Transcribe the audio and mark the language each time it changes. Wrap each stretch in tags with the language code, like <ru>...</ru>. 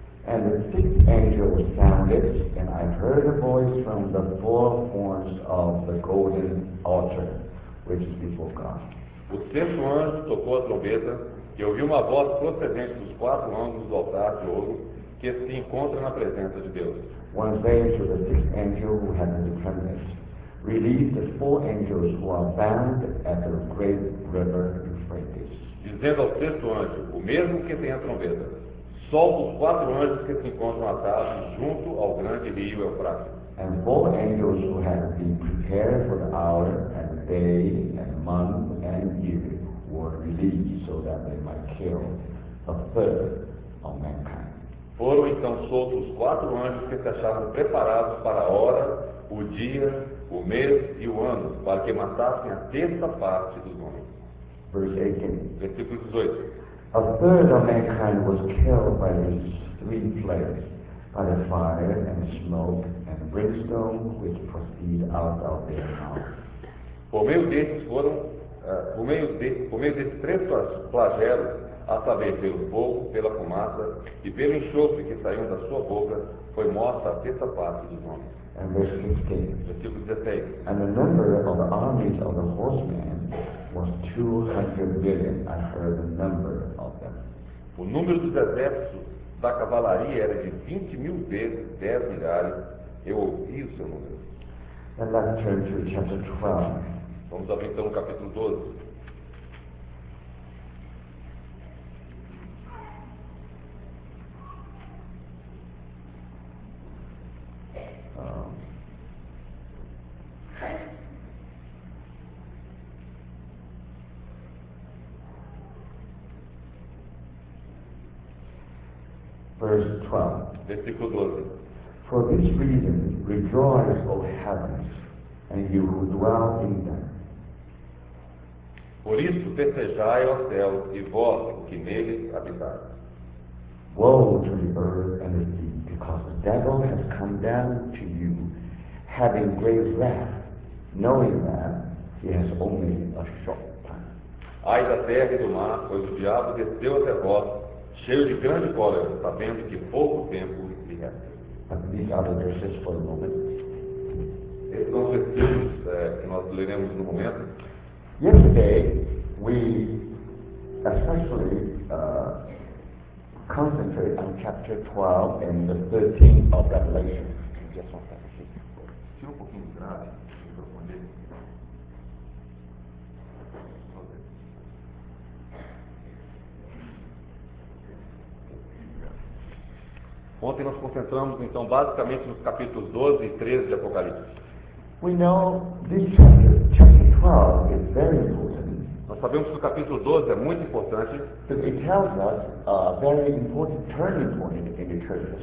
<en>And the sixth angel sounded, and I heard a voice from the four horns of the golden altar, which is before God.</en> <pt>O sexto anjo tocou a trombeta, e ouvi uma voz procedente dos quatro ângulos do altar de ouro, que se encontra na presença de Deus.</pt> <en>One saying to the sixth angel who had the trumpet, release the four angels who are bound at the great river Euphrates.</en> <pt>Dizendo ao sexto anjo, o mesmo que tem a trombeta, solta os quatro anjos que se encontram atados junto ao grande rio Eufrates.</pt> <en>And four angels who have been prepared for the hour and day and month and year were released so that they might kill a third of mankind.</en> <pt>Foram então soltos os quatro anjos que se achavam preparados para a hora, o dia, o mês e o ano, para que matassem a terça parte dos homens.</pt> <en>Verse 18.</en> <pt>Versículo 18.</pt> <en>A third of mankind was killed by these three plagues, by the fire and smoke and brimstone which proceed out of their mouth.</en> <pt>Por meio desses três flagelos, a saber, pelo fogo, pela fumaça e pelo enxofre que saiu da sua boca, foi morta a terça parte dos homens.</pt> <en>And verse 16.</en> <pt>Versículo 16.</pt> <en>And the number of the armies of the horsemen was 200 million. I heard the number of them.</en> <pt>O número dos exércitos da cavalaria era de 20 mil vezes 10 milhares. Eu ouvi o seu número.</pt> <en>And let's turn to chapter 12.</en> <pt>Vamos abrir então o capítulo 12.</pt> <en>For this reason, rejoice, O heavens, and you who dwell in them.</en> <pt>Por isso, festejai, ó céus, e vós, que neles habitais.</pt> <en>Woe to the earth and the sea, because the devil has come down to you, having great wrath, knowing that he has only a short time.</en> <pt>Ai da terra e do mar, pois o diabo desceu até vós, cheio de grande cólera, sabendo que pouco tempo lhe resta.</pt> <en>These are the verses for a moment.</en> <pt>Esses são os versículos que nós leremos no momento.</pt> <en>Yesterday, we especially concentrated on chapter 12 and the 13 of Revelation. Just one second.</en> <pt>Tira um pouquinho de grave, deixa eu responder. Ontem nós concentramos então basicamente nos capítulos 12 e 13 de Apocalipse.</pt> <en>We know this chapter 12 is very important.</en> <pt>Nós sabemos que o capítulo 12 é muito importante.</pt> <en>Because it tells us a very important turning point in the church.</en>